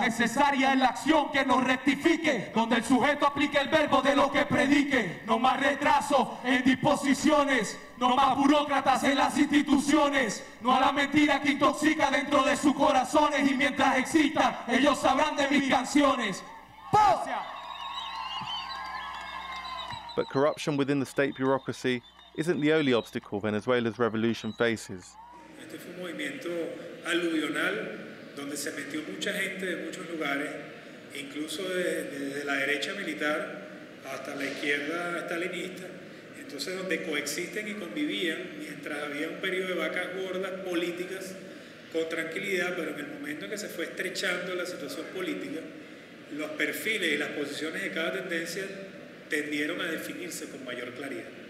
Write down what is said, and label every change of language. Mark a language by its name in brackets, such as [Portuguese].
[Spanish] Necesaria es la acción que nos rectifique. Donde el sujeto aplique el verbo de lo que predique. No más retraso en disposiciones. No más burócratas en las instituciones, no a la mentira que intoxica dentro de sus corazones y mientras exista, ellos sabrán de mis canciones. [English] But corruption within the state bureaucracy isn't the only obstacle Venezuela's revolution faces. [Spanish] Este fue un movimiento aluvional donde se metió mucha gente de muchos lugares, incluso desde la derecha militar hasta la izquierda stalinista. Entonces, donde coexisten y convivían, mientras había un periodo de vacas gordas políticas, con tranquilidad, pero en el momento en que se fue estrechando la situación política, los perfiles y las posiciones de cada tendencia tendieron a definirse con mayor claridad.